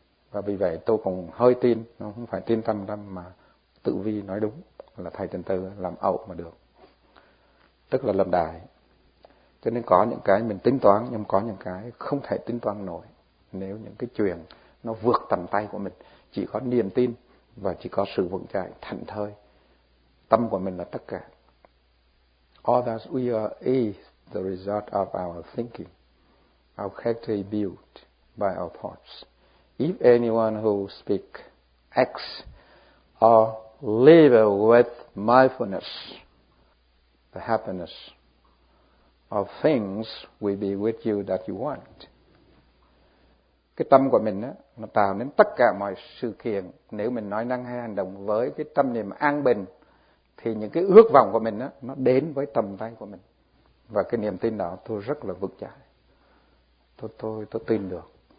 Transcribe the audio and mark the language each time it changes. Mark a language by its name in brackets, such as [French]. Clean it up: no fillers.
[Vietnamese] Và vì vậy tôi cũng hơi tin, nó không phải tin 100% mà Tự Vi nói đúng là thầy Trần Tư làm ẩu mà được, tức là lầm đài. Cho nên có những cái mình tính toán, nhưng có những cái không thể tính toán nổi nếu những cái chuyện nó vượt tầm tay của mình. Chỉ có niềm tin và chỉ có sự vững chãi, thảnh thơi, tâm của mình là tất cả. [English] All that we are is the result of our thinking, our character built by our thoughts. If anyone who speaks, acts, or lives with mindfulness, the happiness of things will be with you that you want. [Vietnamese] Cái tâm của mình á, nó tạo nên tất cả mọi sự kiện. Nếu mình nói năng hay hành động với cái tâm niệm an bình, thì những cái ước vọng của mình á, nó đến với tầm tay của mình. Và cái niềm tin đó tôi rất là vững chãi. Tôi tin được.